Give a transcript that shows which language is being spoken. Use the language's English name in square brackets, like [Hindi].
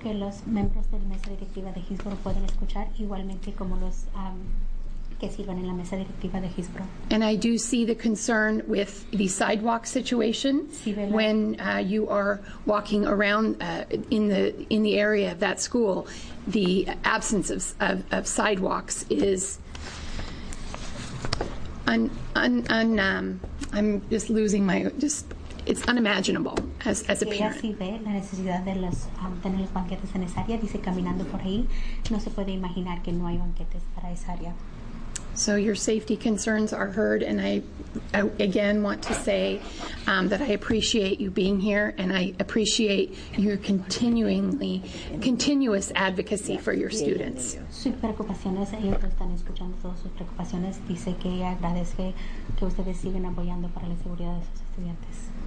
[English] And I do see the concern with the sidewalk situation when you are walking around in the area of that school. The absence of sidewalks is I'm just losing my just. It's unimaginable as a parent. [Spanish] Sí ve la necesidad de los tener los banquetes en esa área. Dice caminando por ahí no se puede imaginar que no hay banquetes para esa área. [English] So your safety concerns are heard, and I again want to say that I appreciate you being here, and I appreciate your continuous advocacy for your students. [Spanish] Sus preocupaciones, ellos están escuchando todas sus preocupaciones. Dice que agradece que ustedes siguen apoyando para la seguridad de sus estudiantes.